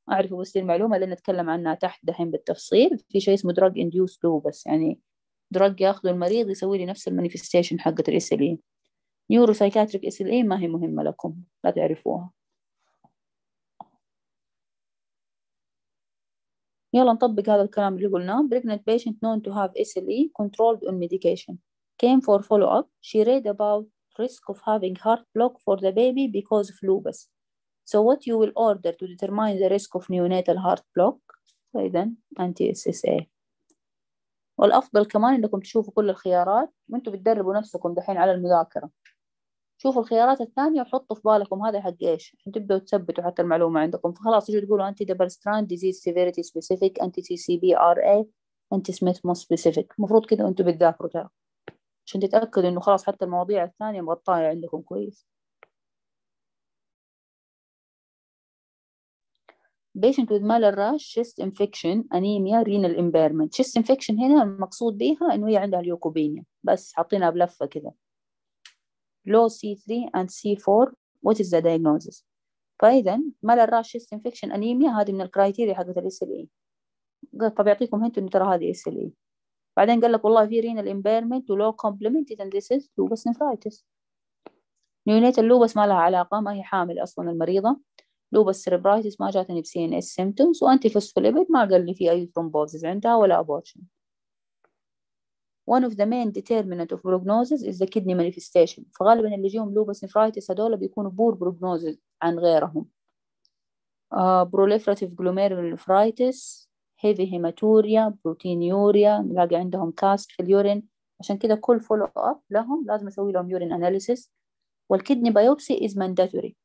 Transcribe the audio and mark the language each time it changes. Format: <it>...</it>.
<ar>اعرفوا بس المعلومه اللي نتكلم عنها تحت دحين بالتفصيل، في شيء اسمه دراج انديوس لوبس يعني دراج ياخذه المريض يسوي لي نفس المانيفستيشن حقت الاس ال اي. نيوروسايكاتريك اس ال اي ما هي مهمه لكم لا تعرفوها. يلا نطبق هذا الكلام اللي قلناه.</ar> <en>Pregnant patient known to have SLE controlled on medication. Came for follow-up. She read about risk of having heart block for the baby because of lupus. So what you will order to determine the risk of neonatal heart block?</en> <ar>فإذا anti-SSA. والأفضل كمان إنكم تشوفوا كل الخيارات وإنتوا بتدربوا نفسكم دحين على المذاكرة. شوفوا الخيارات الثانية وحطوا في بالكم هذا حق ايش عشان تبدأوا تثبتوا حتى المعلومة عندكم. فخلاص تجوا تقولوا انتي دبل ستراند ديزيز سيفيريتي سبيسيفيك، انتي تي سي بي ار اي، انتي سميث مو سبيسيفيك، المفروض كده انتوا بتذاكروا ترى. عشان تتأكد إنه خلاص حتى المواضيع الثانية مغطاة عندكم كويس.</ar> <en>patient with malar rash, chest infection, anemia, renal impairment.</en> <ar>chest infection هنا المقصود بيها إنه هي عندها ليوكوبينيا، بس حطيناها بلفة كده.</ar> <en>low C3 and C4, what is the diagnosis؟ فإذا malar rash, chest infection, anemia</en> <ar>هذه من الكرايتيريا حقت الـ</ar> <en>SLA.</en> <ar>فبيعطيكم هنت إنه ترى هذه SLA. بعدين قال لك والله في renal impairment و</ar> <en>low complement and this is lupus nephritis.</en> <ar>نيونيتال اللوبس ما لها علاقة، ما هي حامل أصلا المريضة. لوبس سيريبرايتس ما جاتني بسي ان اس سيمتومز، وانتي فوسفوليبيد ما قال لي في اي ثرومبوزز عندها ولا ابورشن.</ar> <en>One of the main determinant of prognosis is the kidney manifestation.</en> <ar>فغالبا اللي جيهم لوبس نفرايتس هذول بيكونوا بور بروجنوزز عن غيرهم.</ar> <en>proliferative glomerulonephritis, heavy hematuria, proteinuria,</en> <ar>نلاقي عندهم</ar> <en>Cast في اليورين.</en> <ar>عشان كده كل فولو اب لهم لازم اسوي لهم يورين اناليسيس،</ar> <en>والكدني biopsy is mandatory.</en>